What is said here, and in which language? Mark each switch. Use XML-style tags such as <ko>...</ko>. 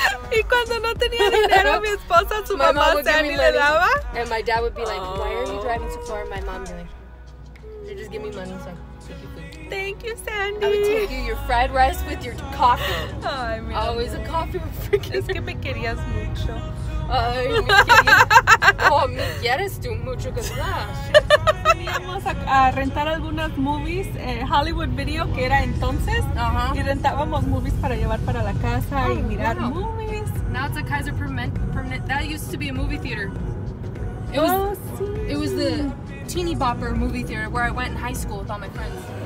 <es>Y cuando no tenía dinero, mi esposa, su mamá, Sandy, le daba.</es> <en>And my dad would be like, oh, why are you driving so far? My mom would be like, they just give me money, so take your food. Thank you, Sandy. I would take you your fried rice with your coffee.</en> <es>Ay, mi</es> <en>always</en> <es>amor.</es> <en>A coffee with freaking...</en> <es>Es que me querías mucho. Ay, me querías... Oh, me quieres tú mucho, que sea. Veníamos a rentar algunas movies, Hollywood Video, que era entonces. Uh-huh. Y rentábamos movies para llevar para la casa y mirar movies.</es> <en>Now it's a Kaiser Permanente. That used to be a movie theater. It was the Teeny Bopper movie theater where I went in high school with all my friends.</en>